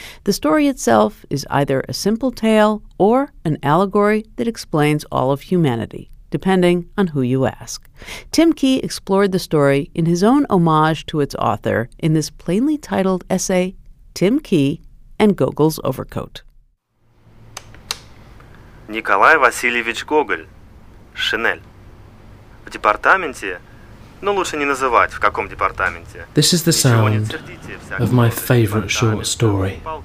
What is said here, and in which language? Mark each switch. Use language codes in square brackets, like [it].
[en] The story itself is either a simple tale or an allegory that explains all of humanity, depending on who you ask. Tim Key explored the story in his own homage to its author in this plainly titled essay, Tim Key and Gogol's Overcoat. [ru] Николай Васильевич Гоголь. Шинель. В департаменте... Но лучше не называть, в каком департаменте. [en] This is the sound of my favorite short story.